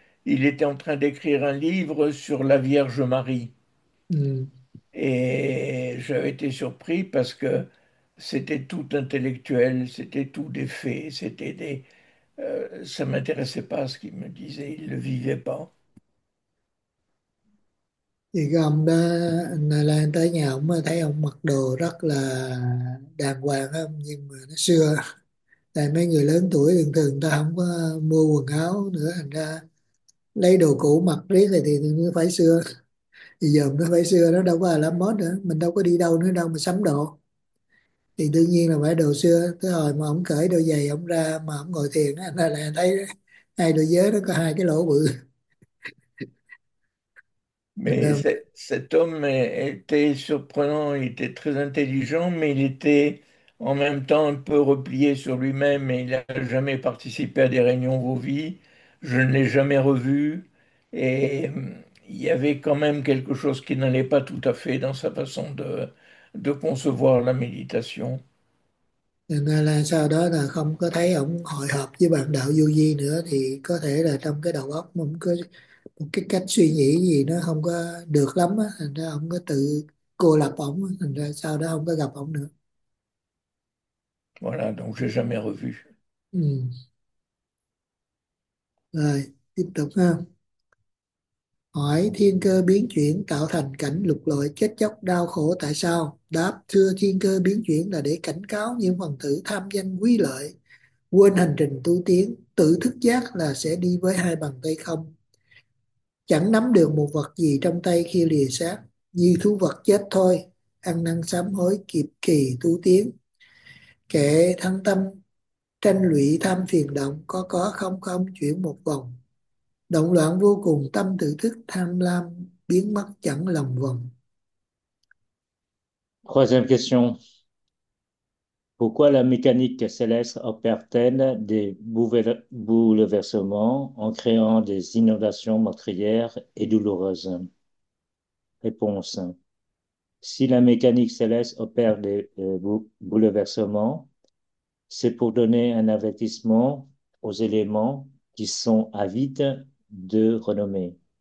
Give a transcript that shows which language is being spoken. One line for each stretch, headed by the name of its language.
French: Il était en train d'écrire un livre sur la Vierge Marie. Et j'avais été surpris parce que c'était tout intellectuel, c'était tout des faits, c'était des... ça m'intéressait pas ce qu'il me disait, il ne le vivait pas.
Vietnamese: Thì ông đó lên tới nhà ông mới thấy ông mặc đồ rất là đàng hoàng không, nhưng mà nó xưa tại mấy người lớn tuổi thường thường người ta không có mua quần áo nữa, thành ra lấy đồ cũ mặc riết này thì nó phải xưa, thì giờ nó phải xưa, nó đâu có là mốt nữa, mình đâu có đi đâu nữa đâu mà sắm đồ, thì đương nhiên là phải đồ xưa. Tới hồi mà ông cởi đôi giày ông ra mà ông ngồi thiền á, là thấy hai đôi giới nó có hai cái lỗ bự.
French: Mais cet homme était surprenant, il était très intelligent, mais il était en même temps un peu replié sur lui-même et il n'a jamais participé à des réunions Vovi. Je ne l'ai jamais revu et il y avait quand même quelque chose qui n'allait pas tout à fait dans sa façon de concevoir la méditation.
Vietnamese: Nên là sau đó là không có thấy ông hội họp với bạn đạo vô vi nữa, thì có thể là trong cái đầu óc ông có một cái cách suy nghĩ gì nó không có được lắm á, thành ra ông có tự cô lập ông, thành ra sau đó không có gặp ông nữa.
French: Voilà, donc j'ai jamais revu.
Vietnamese: Rồi tiếp tục ha. Hỏi thiên cơ biến chuyển tạo thành cảnh lục lọi chết chóc đau khổ tại sao? Đáp: thưa, thiên cơ biến chuyển là để cảnh cáo những phần tử tham danh quý lợi quên hành trình tu tiến, tự thức giác là sẽ đi với hai bàn tay không, chẳng nắm được một vật gì trong tay khi lìa xác, như thú vật chết thôi, ăn năn sám hối kịp kỳ tu tiến. Kệ thân tâm tranh lụy tham phiền động, có không không chuyển một vòng, động loạn vô cùng tâm tự thức, tham lam biến mất chẳng lòng vòng.
French: Troisième question. Pourquoi la mécanique céleste opère-t-elle des bouleversements en créant des inondations meurtrières et douloureuses? Réponse. Si la mécanique céleste opère des bouleversements, c'est pour donner un avertissement aux éléments qui sont avides de renommée.